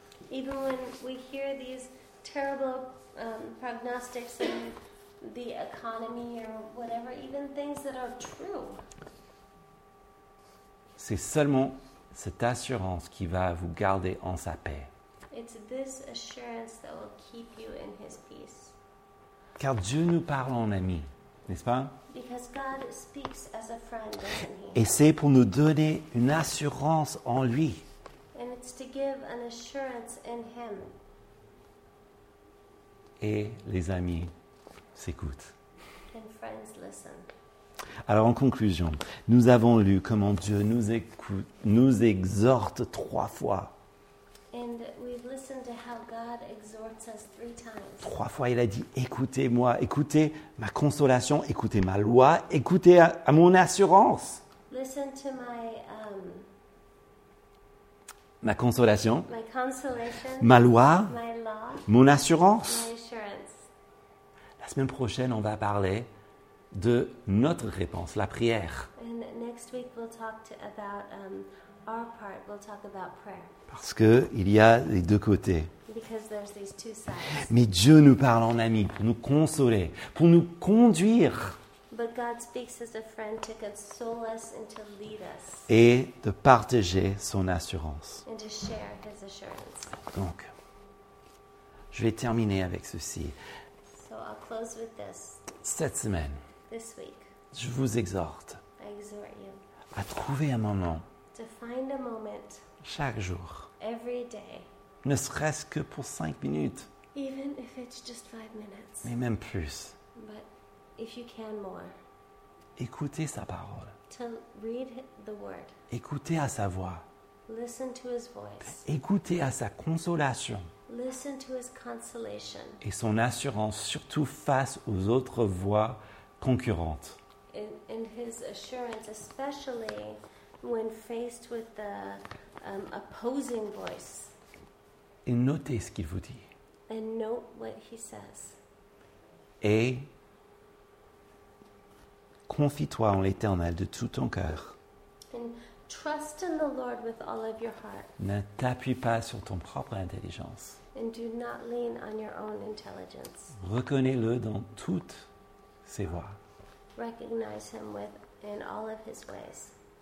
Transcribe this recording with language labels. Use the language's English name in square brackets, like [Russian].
[English] Even when we hear these terrible prognostics in the economy or whatever, even things that are true. [French] C'est seulement cette assurance qui va vous garder en sa paix. [English] It's this assurance that will keep you in his peace. [French] Car Dieu nous parle en ami, n'est-ce pas? [English] Because God speaks as a friend, doesn't he? [French] Et c'est pour nous donner une assurance en lui. [English] And it's to give an assurance in him. [French] Et les amis s'écoutent. [English] And friends listen. [French] Alors en conclusion, nous avons lu comment Dieu nous écoute, nous exhorte 3 fois. [English] And we've listened to how God exhorts us 3 times. [French] 3 fois, il a dit, écoutez-moi, écoutez ma consolation, écoutez ma loi, écoutez à mon assurance. [English] Listen to my, [French] ma consolation. [English] My consolation. [French] Ma loi. [English] My law. [French] Mon assurance. [English] My assurance. [French] La semaine prochaine, on va parler de notre réponse, la prière. [English] And next week, we'll talk about our part, we'll talk about prayer. [French] Parce qu'il y a les deux côtés. [English] Because there's these two sides. [French] Mais Dieu nous parle en ami pour nous consoler, pour nous conduire. [English] But God speaks as a friend to console us and to lead us. [French] Et de partager son assurance. [English] And to share his assurance. [French] Donc, je vais terminer avec ceci. [English] So I'll close with this. [French] Cette semaine, [English] this week, [French] je vous exhorte [English] I exhort you [French] à trouver un moment. [English] To find a moment [French] chaque jour, [English] every day, [French] ne serait-ce que pour 5 minutes. [English] Even if it's just 5 minutes. [French] Mais même plus. [English] But if you can more. [French] Écoutez sa parole. [English] To read the word. [French] Écoutez à sa voix. [English] Listen to his voice. [French] Écoutez à sa consolation. [English] Listen to his consolation. [French] Et son assurance, surtout face aux autres voix concurrentes. [English] And his assurance, especially when faced with the opposing voice. [French] Et notez ce qu'il vous dit. [English] And note what he says. [French] Et confie-toi en l'Éternel de tout ton cœur. [English] And trust in the Lord with all of your heart. [French] Ne t'appuie pas sur ton propre intelligence. [English] And do not lean on your own intelligence. [French] Reconnais-le dans toutes ses voies. [English] Recognize him with, in all of his ways.